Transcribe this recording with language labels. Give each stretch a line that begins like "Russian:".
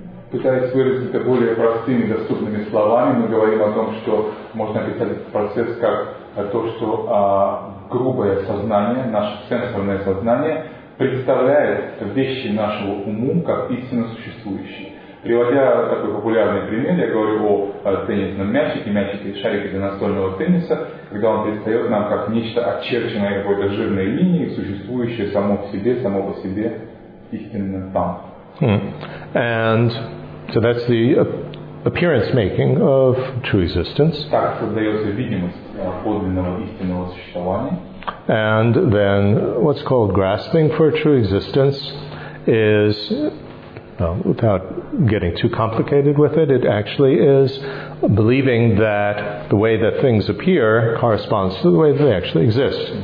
Russian: Пытаясь выразить это более простыми, доступными словами, мы говорим о том, что можно описать этот процесс как то, что грубое сознание, наше сенсорное сознание, представляет вещи нашего уму как истинно существующие. Приводя такой популярный пример, я говорю о теннисном мячике, мячике, шарике для настольного тенниса, когда он предстает нам как нечто очерченное какой-то жирной линией, существующее само в себе, само по себе, истинно там.
English: And so that's the appearance making of true existence.
Russian: Так создается видимость подлинного истинного существования.
English: And then what's called grasping for true existence is, without getting too complicated with it, it actually is believing that the way that things appear corresponds to the way that they actually exist.